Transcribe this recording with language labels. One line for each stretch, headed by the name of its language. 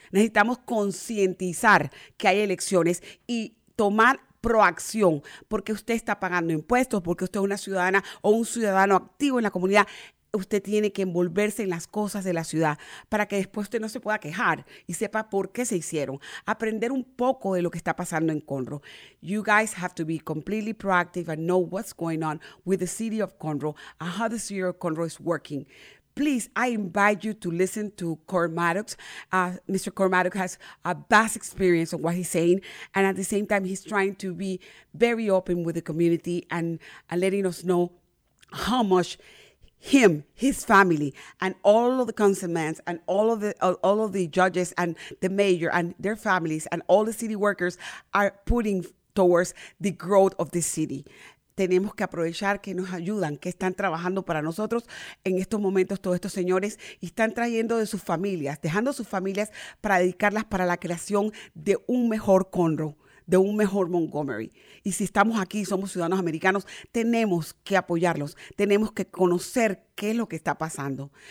Spanish: Necesitamos concientizar que hay elecciones y tomar proacción, porque usted está pagando impuestos, porque usted es una ciudadana o un ciudadano activo en la comunidad. Usted tiene que envolverse en las cosas de la ciudad para que después usted no se pueda quejar y sepa por qué se hicieron. Aprender un poco de lo que está pasando en Conroe.
English: You guys have to be completely proactive and know what's going on with the city of Conroe and how the city of Conroe is working. Please, I invite you to listen to Curt Maddux. Mr. Curt Maddux has a vast experience of what he's saying. And at the same time, he's trying to be very open with the community and letting us know how much him, his family, and all of the councilmen and all of the judges and the mayor and their families and all the city workers are putting towards the growth of the city.
Spanish: Tenemos que aprovechar que nos ayudan, que están trabajando para nosotros en estos momentos todos estos señores y están trayendo de sus familias, dejando sus familias para dedicarlas para la creación de un mejor Conroe, de un mejor Montgomery. Y si estamos aquí, somos ciudadanos americanos, tenemos que apoyarlos, tenemos que conocer qué es lo que está pasando.